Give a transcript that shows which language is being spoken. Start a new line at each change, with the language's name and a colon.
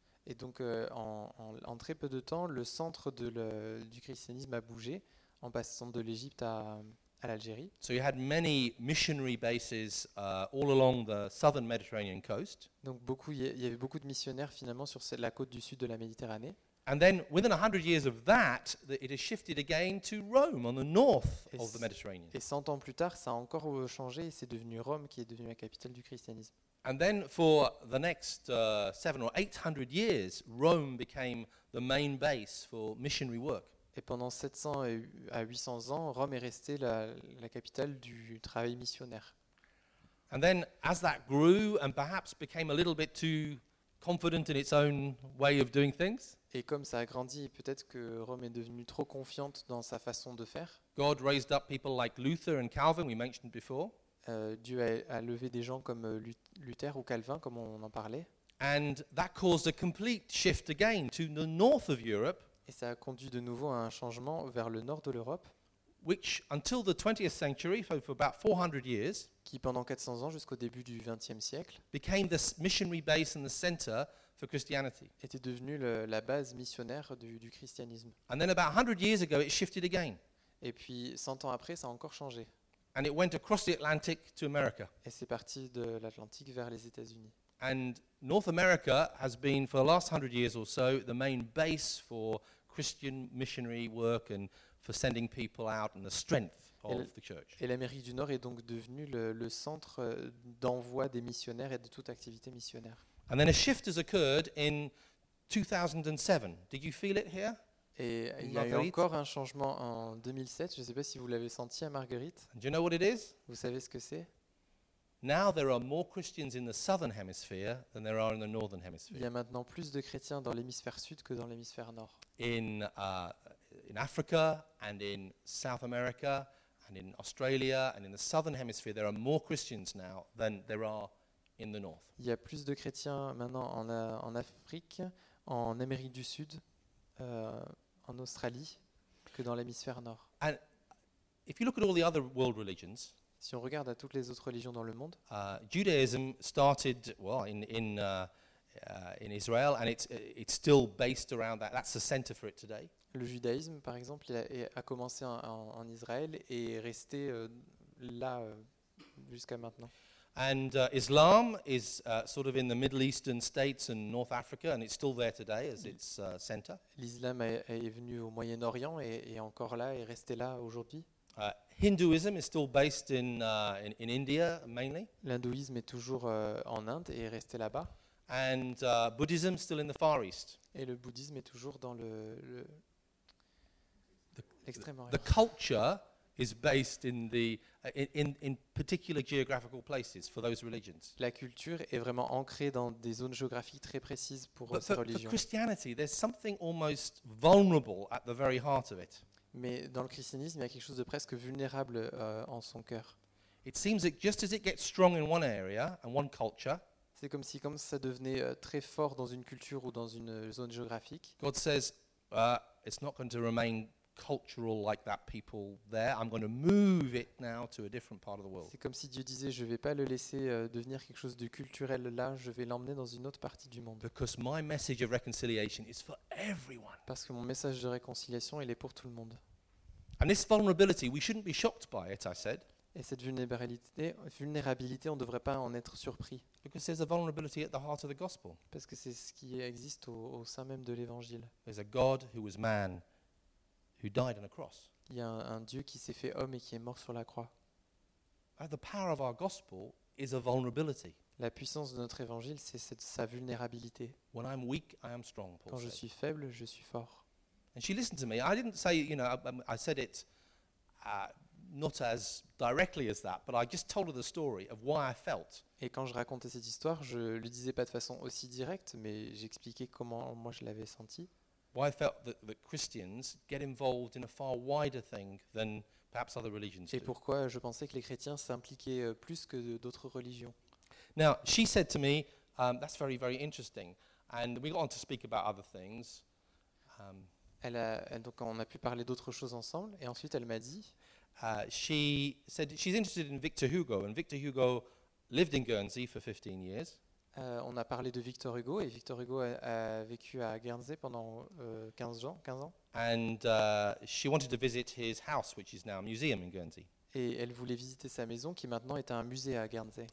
French: Et donc en très peu de temps, le centre du christianisme a bougé en passant de l'Égypte à l'Algérie.
English: So you had many missionary bases all along the southern Mediterranean coast.
French: Donc beaucoup, il y avait beaucoup de missionnaires finalement sur la côte du sud de la Méditerranée.
English: And then within 100 years of that, it has shifted again to Rome on the north of the Mediterranean.
French: Et 100 ans plus tard, ça a encore changé et c'est devenu Rome qui est devenue la capitale du christianisme.
English: And then for the next 700 or 800 years, Rome became the main base for missionary work.
French: Et pendant 700 à 800 ans, Rome est restée la capitale du travail missionnaire.
English: And then as that grew and perhaps became a little bit too confident in its own way of doing things,
French: et comme ça a grandi, peut-être que Rome est devenue trop confiante dans sa façon de faire.
English: God raised up people like Luther and Calvin, we mentioned before.
French: Dieu a levé des gens comme Luther ou Calvin, comme on en parlait.
English: And that caused a complete shift again to the north of Europe.
French: Et ça a conduit de nouveau à un changement vers le nord de l'Europe.
English: Which, until the 20th century, so for about 400 years,
French: qui pendant 400 ans jusqu'au début du 20e siècle,
English: became the missionary base and the center for Christianity.
French: Était devenue la base missionnaire du christianisme.
English: And then about 100 years ago, it shifted again.
French: Et puis 100 ans après, ça a encore changé.
English: And it went across the Atlantic to America.
French: Et c'est parti de l'Atlantique vers les États-Unis.
English: And North America has been for the last 100 years or so the main base for Christian missionary work and for sending people out and the strength of the church.
French: Et l'Amérique du Nord est donc devenue le centre d'envoi des missionnaires et de toute activité missionnaire.
English: And then a shift has occurred in 2007. Did you feel it here?
French: Et il y a eu encore un changement en 2007. Je ne sais pas si vous l'avez senti à Marguerite.
English: Do you know what it is?
French: Vous savez ce que c'est?
English: Now there are more Christians in the southern hemisphere than there are in the northern hemisphere.
French: Il y a maintenant plus de chrétiens dans l'hémisphère sud que dans l'hémisphère nord.
English: In Africa and in South America and in Australia and in the southern hemisphere, there are more Christians now than there are in the north.
French: Il y a plus de chrétiens maintenant en Afrique, en Amérique du Sud, en Australie, que dans l'hémisphère nord.
English: And if you look at all the other world religions,
French: Si on regarde à toutes les autres religions dans le monde,
English: Judaism started well in Israel, and it's still based around that. That's the center for it today.
French: Le judaïsme, par exemple, a commencé en Israël et est resté là jusqu'à maintenant.
English: And Islam is sort of in the Middle Eastern states and North Africa, and it's still there today as its center.
French: L'islam est venu au Moyen-Orient et est encore là et resté là aujourd'hui.
English: Hinduism is still based in India mainly.
French: L'hindouisme est toujours en Inde et est resté là-bas.
English: And Buddhism still in the Far East.
French: Et le bouddhisme est toujours dans l'Extrême-Orient.
English: The culture is based in particular geographical places for those religions.
French: La culture est vraiment ancrée dans des zones géographiques très précises pour ces religions.
English: For Christianity, there's something almost vulnerable at the very heart of it.
French: Mais dans le christianisme, il y a quelque chose de presque vulnérable en son cœur.
English: It seems that just as it gets strong in one area and one culture,
French: c'est comme si comme ça devenait très fort dans une culture ou dans une zone géographique.
English: God says, it's not going to remain cultural like that people there. I'm going to move it now to a different part of the world.
French: C'est comme si Dieu disait, je vais pas le laisser devenir quelque chose de culturel là, je vais l'emmener dans une autre partie du monde.
English: Because my message of reconciliation is for everyone.
French: Parce que mon message de réconciliation, il est pour tout le monde.
English: And this vulnerability, we shouldn't be shocked by it, I said.
French: Et cette vulnérabilité, on ne devrait pas en être surpris.
English: Because there's a vulnerability at the heart of the gospel.
French: Parce que c'est ce qui existe au sein même de l'évangile.
English: There's a God who was man, who died on a cross.
French: Il y a un Dieu qui s'est fait homme et qui est mort sur la croix.
English: The power of our gospel is a vulnerability.
French: La puissance de notre évangile, c'est sa vulnérabilité.
English: When I'm weak, I am strong, Paul
French: quand
English: said.
French: Je suis faible, je suis fort.
English: And she listened to me. I didn't say, you know, I said it not as directly as that, but I just told her the story of why I felt.
French: Et quand je racontais cette histoire, je ne le disais pas de façon aussi directe, mais j'expliquais comment moi je l'avais senti.
English: Why I felt that Christians get involved in a far wider thing than perhaps other religions do.
French: Et pourquoi je pensais que les chrétiens s'impliquaient plus que d'autres religions.
English: Now, she said to me, that's very, very interesting. And we got on to speak about other things.
French: On a pu parler d'autres choses ensemble. Et ensuite, elle m'a dit,
English: She said she's interested in Victor Hugo. And Victor Hugo lived in Guernsey for 15 years.
French: On a parlé de Victor Hugo et Victor Hugo a vécu à Guernsey pendant 15 ans.
English: And she wanted to visit his house, which is now a museum in Guernsey.
French: Et elle voulait visiter sa maison qui maintenant est un musée à Guernsey.